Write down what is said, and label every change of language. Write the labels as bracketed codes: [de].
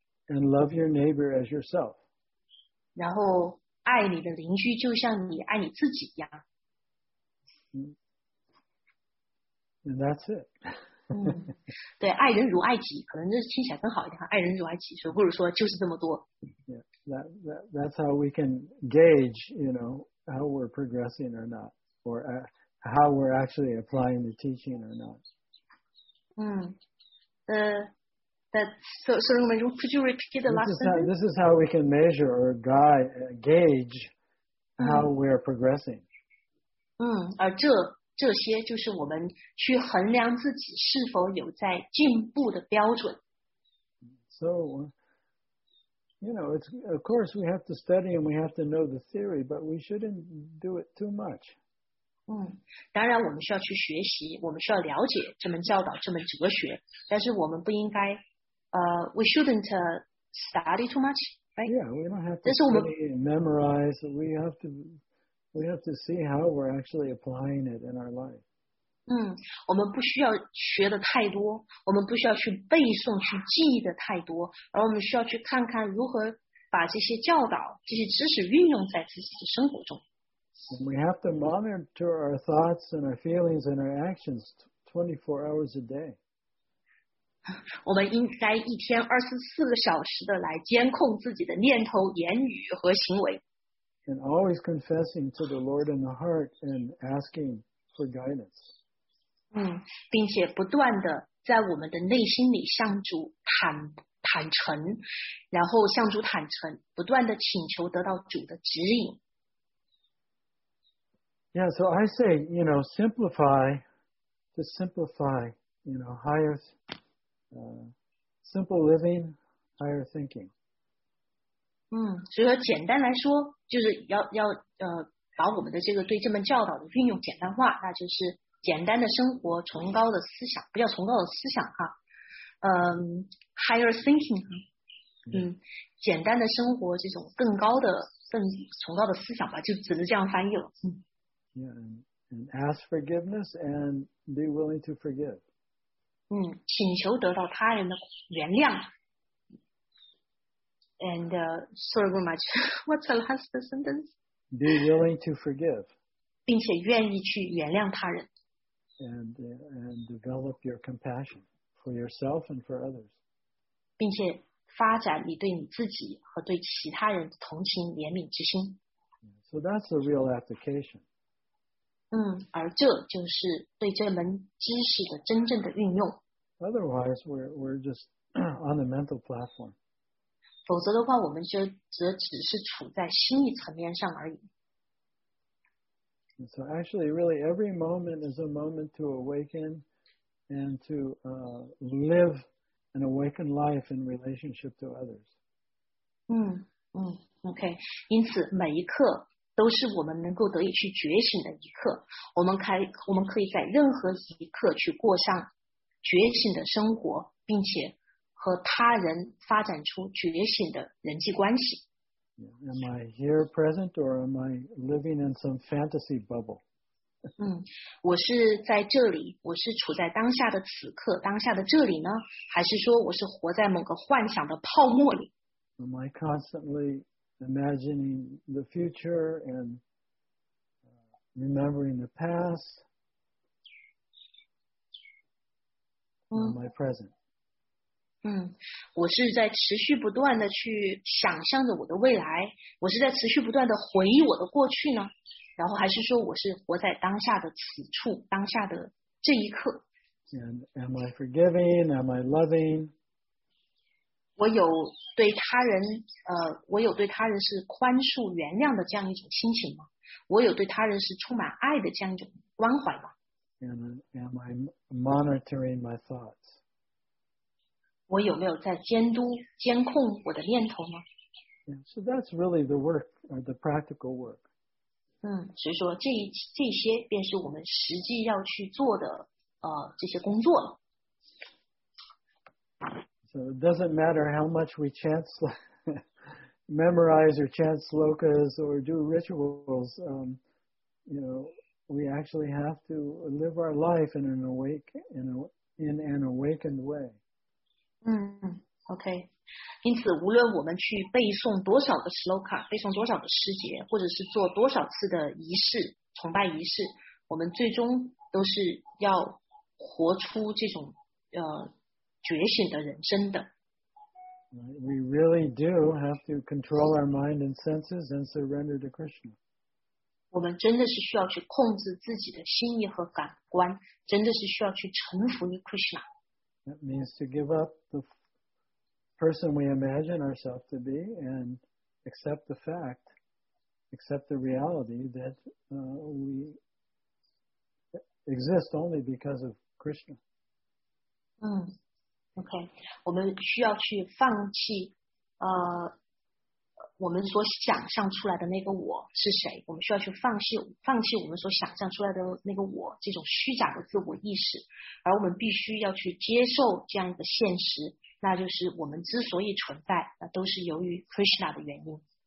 [en] and love your neighbor as yourself. [zh] 然后爱你的邻居就像你爱你自己一样。 [en] And that's it. [zh] 对，爱人如爱己，可能这听起来更好一点，爱人如爱己，所以不如说就是这么多。 [en] That's how we can gauge, you know, how we're progressing or not, or how we're actually applying the teaching or not. So could you repeat the last sentence? This is how we can measure or gauge how we're progressing. [zh] 而这些就是我们去衡量自己是否有在进步的标准。 [en] So, you know, it's, of course we have to study and we have to know the theory, but we shouldn't do it too much. [zh] 当然我们需要去学习，我们需要了解这门教导，这门哲学，但是我们不应该 [en] we shouldn't study too much, right? Yeah, we don't have to study and memorize. We have to see how we're actually applying it in our life. [zh] 我们不需要学的太多，我们不需要去背诵、去记的太多，而我们需要去看看如何把这些教导、这些知识运用在自己的生活中。 [en] And we have to monitor our thoughts and our feelings and our actions 24 hours a day. [zh] 我们应该一天24个小时的来监控自己的念头、言语和行为。 [en] And always confessing to the Lord in the heart and asking for guidance. [zh] 并且不断地在我们的内心里向主坦诚，然后向主坦诚，不断地请求得到主的指引。 [en] Yeah, so I say, you know, simplify, to simplify, you know, higher, simple living, higher thinking. [zh] 所以说简单来说就是要把我们的这个对这门教导的运用简单化，那就是简单的生活，崇高的思想，不叫崇高的思想哈， [en] higher thinking， [zh] 简单的生活，这种更高的、更崇高的思想吧，就只能这样翻译了。 [en] Yeah, and ask forgiveness and be willing to forgive. [zh] 请求得到他人的原谅。 [en] And sorry very much. What's the last sentence? Be willing to forgive. [zh] 并且愿意去原谅他人。 [en] And develop your compassion for yourself and for others. [zh] 并且发展你对你自己和对其他人的同情怜悯之心。 [en] So that's the real application. [zh] 而这就是对这门知识的真正的运用。 [en] Otherwise, we're just on the mental platform. [zh] 否则的话我们就只是处在心理层面上而已。 [en] So actually really every moment is a moment to awaken and to live an awakened life in relationship to others. [zh] OK, 因此每一刻都是我们能够得以去觉醒的一刻，我们可以在任何一刻去过上觉醒的生活，并且和他人发展出觉醒的人际关系。 [en] Am I here present or am I living in some fantasy bubble? [zh] 我是在这里，我是处在当下的此刻，当下的这里呢？还是说我是活在某个幻想的泡沫里？ [en] Am I constantly imagining the future and remembering the past? Am I present? [zh] 我是在持续不断的去想象着我的未来，我是在持续不断的回忆我的过去呢，然后还是说我是活在当下的此处，当下的这一刻。 [en] And am I forgiving? Am I loving? [zh] 我有对他人是宽恕原谅的这样一种心情吗？我有对他人是充满爱的这样一种关怀吗？ [en] And am I monitoring my thoughts? [zh] 我有没有在监督、监控我的念头呢？ [en] So that's really the work, or the practical work. [zh] 所以说这些便是我们实际要去做的这些工作了。 [en] So it doesn't matter how much we chant, memorize or chant slokas or do rituals, you know, we actually have to live our life in an awakened way. [zh] OK, 因此无论我们去背诵多少的 sloka, 背诵多少的诗节，或者是做多少次的仪式，崇拜仪式，我们最终都是要活出这种觉醒的人生的。 [en] We really do have to control our mind and senses and surrender to Krishna. [zh] 我们真的是需要去控制自己的心意和感官，真的是需要去臣服于 Krishna. [en] That means to give up the person we imagine ourselves to be and accept the fact. Accept the reality that we exist only because of Krishna. Okay. [zh] 我们需要去放弃我们所想象出来的那个我是谁。我们需要去放弃我们所想象出来的那个我，这种虚假的自我意识。而我们必须要去接受这样一个现实，那就是我们之所以存在，那都是由于 Krishna 的原因。